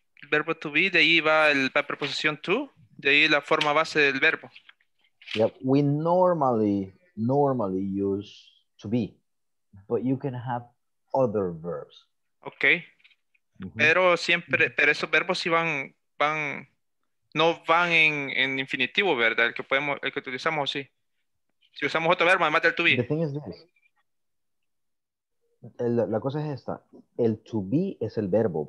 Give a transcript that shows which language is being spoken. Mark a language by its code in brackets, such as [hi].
[es] Verbo to be, de ahí va el, la preposición to, de ahí la forma base del verbo. [en] Yep. We normally use to be, but you can have other verbs. Okay. Mm-hmm. [es] Pero siempre, pero esos verbos sí van no van en infinitivo, ¿verdad? El que podemos, el que utilizamos, sí. Si usamos otro verbo, además del to be. [en] The thing is this. [es] La cosa es esta. El to be es el verbo.